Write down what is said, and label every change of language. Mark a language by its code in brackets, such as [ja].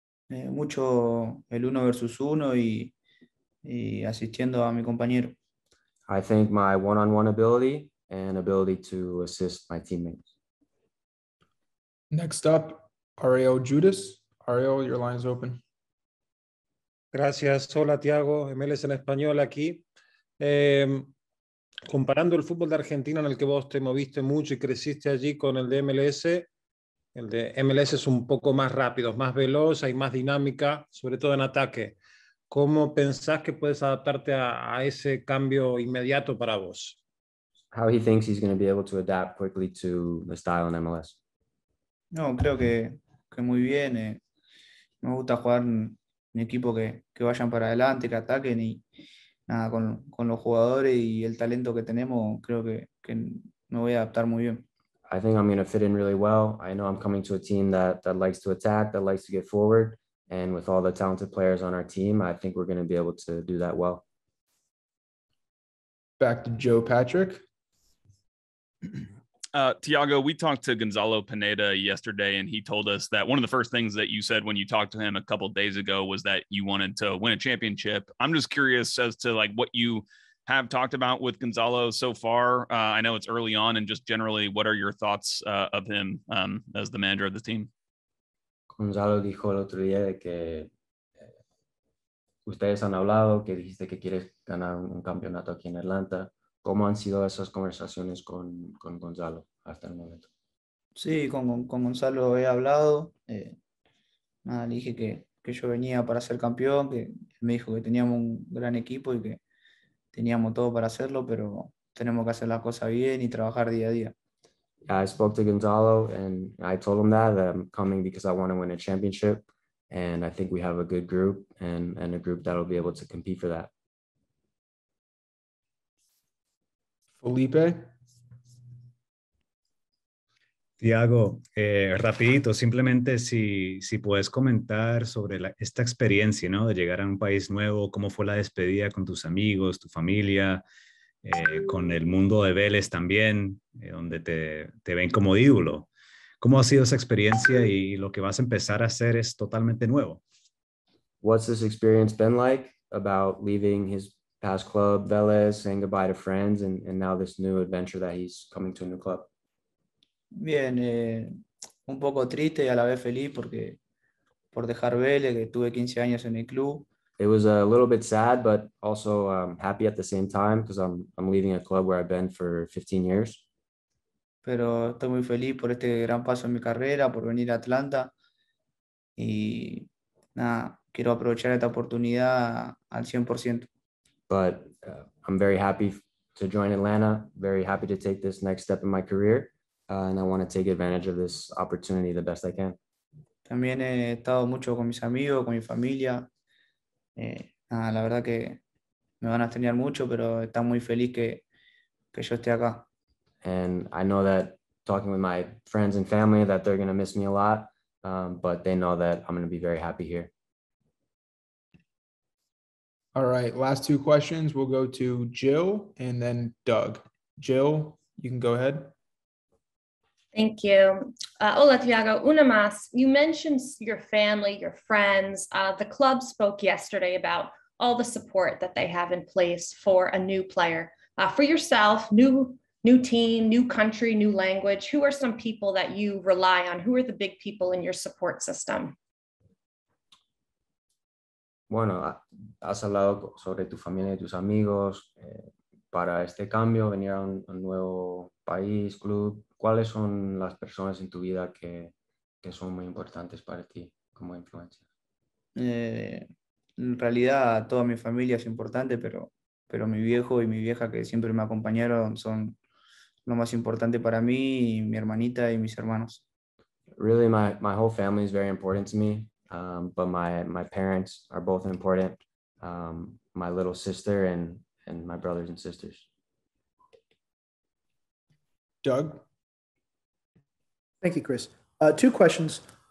[es] Mucho el uno versus uno y asistiendo a mi compañero. [en] I think my one-on-one ability and ability to assist my teammates. Next up, Ariel Judas. Ariel, your line is open. [es] Gracias. Hola, Thiago. MLS en español aquí. Comparando el fútbol de Argentina en el que vos te moviste mucho y creciste allí con el de MLS, el de MLS es un poco más rápido, más veloz, hay más dinámica, sobre todo en ataque. ¿Cómo pensás que puedes adaptarte a ese cambio inmediato para vos? [en] How he thinks he's going to be able to adapt quickly to the style in MLS. [es] No, creo que muy bien. Me gusta jugar en equipo que vayan para adelante, que ataquen y nada, con los jugadores y el talento que tenemos, creo que me voy a adaptar muy bien. [en] I think I'm going to fit in really well. I know I'm coming to a team that likes to attack, that likes to get forward. And with all the talented players on our team, I think we're going to be able to do that well. Back to Joe Patrick. Thiago, we talked to Gonzalo Pineda yesterday, and he told us that one of the first things that you said when you talked to him a couple of days ago was that you wanted to win a championship. I'm just curious as to like what you have talked about with Gonzalo so far. I know it's early on, and just generally, what are your thoughts of him as the manager of the team? [es] Gonzalo dijo el otro día que ustedes han hablado, que dijiste que quieres ganar un campeonato aquí en Atlanta. ¿Cómo han sido esas conversaciones con Gonzalo hasta el momento? Sí, con Gonzalo he hablado. Nada, le dije que yo venía para ser campeón, que me dijo que teníamos un gran equipo y que teníamos todo para hacerlo, pero tenemos que hacer las cosas bien y trabajar día a día. [en] I spoke to Gonzalo and I told him that I'm coming because I want to win a championship and I think we have a good group and a group that will be able to compete for that. Felipe. [es] Thiago, rapidito, simplemente si puedes comentar sobre esta experiencia, ¿no? De llegar a un país nuevo, cómo fue la despedida con tus amigos, tu familia, con el mundo de Vélez también, donde te ven como ídolo. ¿Cómo ha sido esa experiencia y lo que vas a empezar a hacer es totalmente nuevo? [en] What's this experience been like about leaving his past club, Vélez, saying goodbye to friends, and now this new adventure that he's coming to a new club? [es] Bien, un poco triste y a la vez feliz porque por dejar Vélez, que tuve 15 años en el club. [en] It was a little bit sad, but also happy at the same time because I'm leaving a club where I've been for 15 years. [es] Pero estoy muy feliz por este gran paso en mi carrera, por venir a Atlanta. Y nada, quiero aprovechar esta oportunidad al 100%. [en] But I'm very happy to join Atlanta, very happy to take this next step in my career. And I want to take advantage of this opportunity the best I can. [es] También he estado mucho con mis amigos, con mi familia. La verdad que me van a extrañar mucho, pero están muy feliz que yo esté acá. [en] And I know that talking with my friends and family that they're going to miss me a lot, but they know that I'm going to be very happy here. All right, last two questions. We'll go to Jill and then Doug. Jill, you can go ahead. Thank you. [es] Hola, Thiago. Una más. [en] You mentioned your family, your friends. The club spoke yesterday about all the support that they have in place for a new player. For yourself, new team, new country, new language, who are some people that you rely on? Who are the big people in your support system? [es] Bueno, has hablado sobre tu familia y tus amigos para este cambio, venir a un nuevo país, club. ¿Cuáles son las personas en tu vida que son muy importantes para ti como influencia? En realidad, toda mi familia es importante, pero mi viejo y mi vieja que siempre me acompañaron son lo más importante para mí, y mi hermanita y mis hermanos. [en] Really, my whole family is very important to me. But my parents are both important, my little sister and my brothers and sisters. Doug? Thank you, Chris. Two questions.